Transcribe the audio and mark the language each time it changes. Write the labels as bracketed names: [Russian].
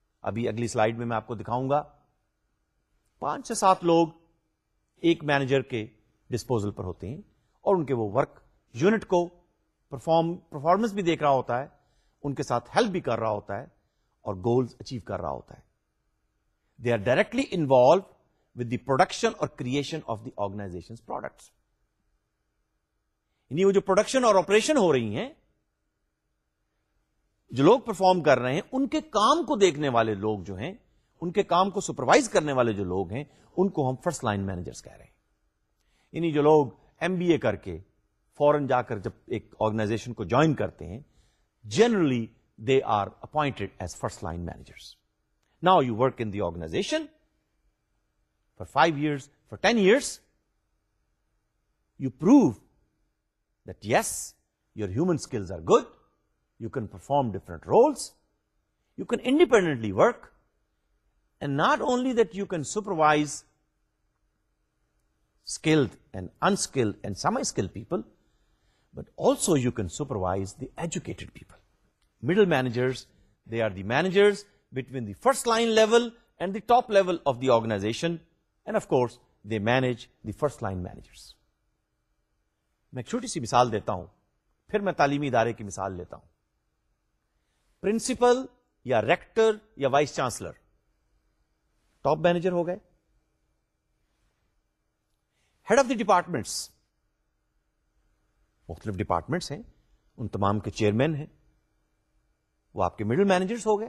[Urdu] ابھی اگلی سلائیڈ میں آپ کو دکھاؤں گا, 5 سے 7 لوگ ایک مینیجر کے ڈسپوزل پر ہوتے ہیں اور ان کے وہ ورک یونٹ کو پرفارمنس بھی دیکھ رہا ہوتا ہے, ان کے ساتھ ہیلپ بھی کر رہا ہوتا ہے اور گولز اچیو کر رہا ہوتا ہے. [English] They are directly involved with the production اور creation of the organization products. [Urdu] یعنی وہ جو پروڈکشن اور آپریشن ہو رہی ہیں, جو لوگ پرفارم کر رہے ہیں, ان کے کام کو دیکھنے والے لوگ جو ہیں, ان کے کام کو سپروائز کرنے والے جو لوگ ہیں, ان کو ہم فرسٹ لائن مینیجرز کہہ رہے ہیں. یعنی جو لوگ ایم بی اے کر کے فورن جا کر جب ایک آرگنائزیشن کو جوائن کرتے ہیں, [English] Generally they are appointed as first line managers. Now you work in the organization for 5 years, for 10 years, you prove that yes your human skills are good, you can perform different roles, you can independently work. And not only that, you can supervise skilled and unskilled and semi-skilled people, but also you can supervise the educated people. Middle managers, they are the managers between the first line level and the top level of the organization. And of course, they manage the first line managers. [Urdu] میں ایک چھوٹی سی مثال دیتا ہوں, پھر میں تعلیمی ادارے کی مثال لیتا ہوں. Principal یا rector یا vice chancellor, ٹاپ مینیجر ہو گئے. ہیڈ آف دی ڈپارٹمنٹس, مختلف ڈپارٹمنٹس ہیں, ان تمام کے چیئرمین ہیں, وہ آپ کے مڈل مینیجرس ہو گئے.